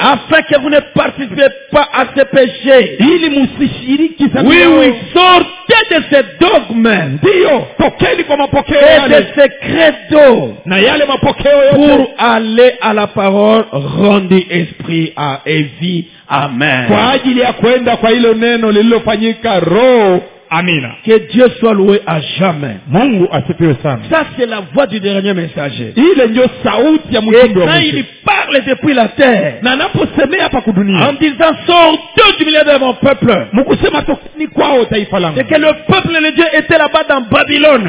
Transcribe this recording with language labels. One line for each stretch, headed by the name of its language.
French: Afin que vous ne participez pas à ces péchés.
Swahili: Ili musishiriki
French: sa. Oui, oui, sortez. sortez de ces dogmes et de ces credos pour aller à la parole rendue esprit à vie. Amen.
Swahili: Kwa ajili ya kwenda kwa hilo neno lililofanyika roho. Amina.
French: Que Dieu soit loué à jamais.
Swahili: Mungu asifiwe sana.
French: Ça c'est la voix du dernier messager.
Swahili: Ile ndio sauti ya mjumbe.
French: Et quand il parle depuis la terre.
Swahili: Na anaposemea hapa kudunia.
French: En disant sortez du milieu de mon peuple.
Swahili: Mukusema ni kwao taifa langu.
French: C'est que le peuple de Dieu était là-bas dans Babylone.